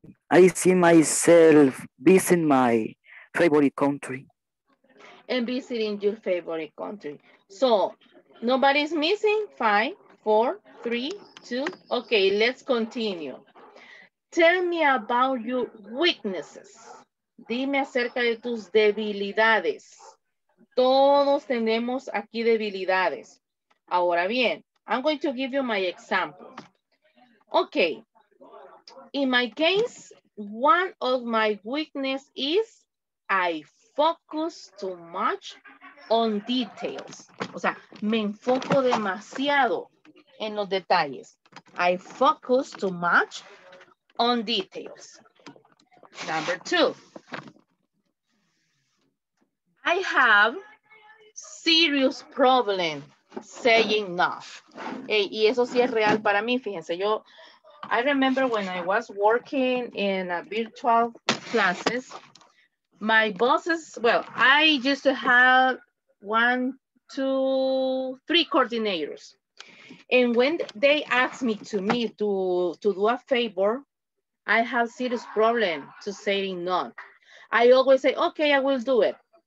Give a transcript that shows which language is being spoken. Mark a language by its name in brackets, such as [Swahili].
[English] I see myself visiting my favorite country. And visiting your favorite country. So, nobody's missing? 5, 4, 3, 2. Okay, let's continue. Tell me about your weaknesses. [Spanish] Dime acerca de tus debilidades. Todos tenemos aquí debilidades. Ahora bien, [English] I'm going to give you my example. Okay. In my case, one of my weaknesses is I focus too much on details. [Spanish] O sea, me enfoco demasiado en los detalles. [English] I focus too much on details. Number two. I have serious problem saying no. [Spanish] Y eso sí es real para mí, fíjense. [English] I remember when I was working in virtual classes, my bosses, well, I used to have 1, 2, 3 coordinators. And when they asked me to do a favor, I have serious problem to say no. I always say, okay, I will do it.